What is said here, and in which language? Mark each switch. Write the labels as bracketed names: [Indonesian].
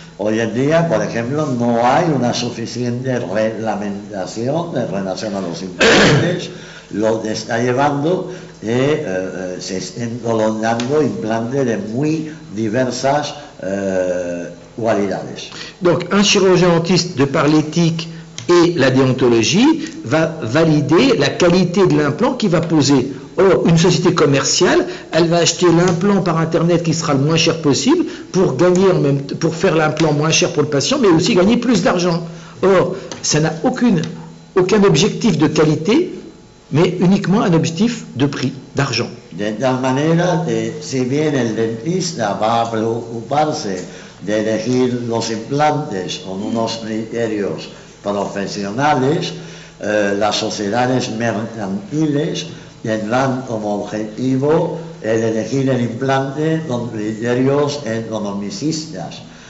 [Spanish] Hoy en día, por ejemplo, no hay una suficiente reglamentación en relación a los implantes. Lo que está llevando se estén colocando implantes de muy diversas cualidades. [French] Donc, un chirurgien dentiste, de par l'éthique et la déontologie, va valider la qualité de l'implant qu'il va poser. Or, une société commerciale, elle va acheter l'implant par Internet qui sera le moins cher possible pour gagner, pour faire l'implant moins cher pour le patient, mais aussi gagner plus d'argent. Or, ça n'a aucun objectif de qualité, mais uniquement un objectif de prix, d'argent. De telle manière que, [Spanish] si bien el dentista va a preocuparse de elegir los implantes con unos criterios profesionales, las sociedades mercantiles tendrán como objetivo el elegir el implante con criterios economicistas,